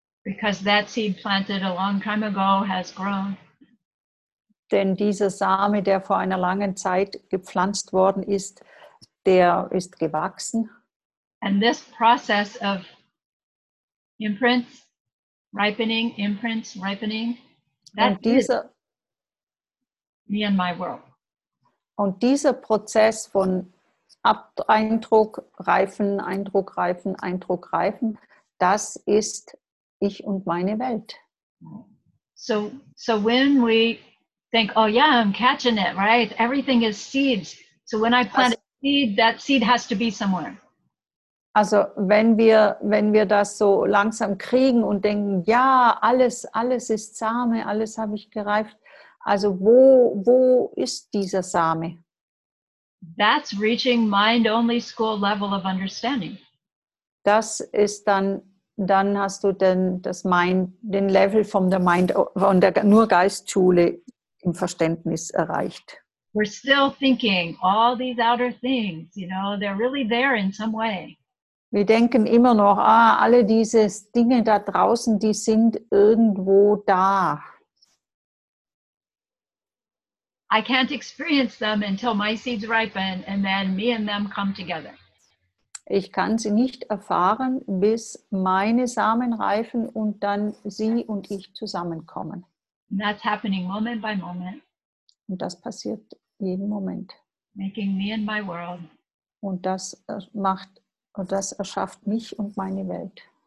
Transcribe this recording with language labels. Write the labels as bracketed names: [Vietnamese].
[English] Because that seed planted a long time ago has grown. [German] Denn dieser Same, der vor einer langen Zeit gepflanzt worden ist, der ist gewachsen. [English] And this process of imprints, ripening, [German] Und dieser, [English] me and my world. [German] Und dieser Prozess von Eindruck, Reifen, Eindruck, Reifen, Eindruck, Reifen, das ist ich und meine Welt. [English] So when we think, oh yeah, I'm catching it, right? Everything is seeds. So when I plant a seed, that seed has to be somewhere. [German] Also wenn wir das so langsam kriegen und denken, ja, alles ist Same, alles habe ich gereift. Also wo ist dieser Same? [English] That's reaching mind-only school level of understanding. [German] Das ist dann hast du den Level von der Mind, von der nur Geistschule im Verständnis erreicht. [English] We're still thinking all these outer things, you know, they're really there in some way. [German] Wir denken immer noch, ah, alle diese Dinge da draußen, die sind irgendwo da. [English] I can't experience them until my seeds ripen and then me and them come together. [German] Ich kann sie nicht erfahren, bis meine Samen reifen und dann sie und ich zusammenkommen. [English] And that's happening moment by moment. [German] Und das passiert jeden Moment. [English] Making me and my world. [German] Und das macht und das erschafft mich und meine Welt.